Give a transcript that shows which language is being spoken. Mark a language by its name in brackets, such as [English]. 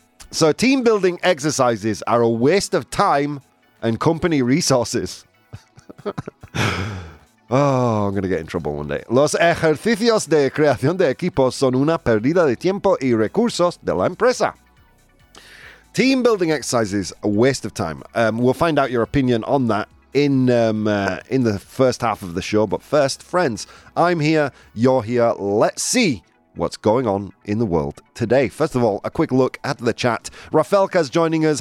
[English] So team building exercises are a waste of time and company resources. Oh, I'm going to get in trouble one day. [Spanish] Los ejercicios de creación de equipos son una pérdida de tiempo y recursos de la empresa. [English] Team building exercises, a waste of time. We'll find out your opinion on that in the first half of the show. But first, friends, I'm here, you're here. Let's see what's going on in the world today. First of all, a quick look at the chat. Rafelka's joining us.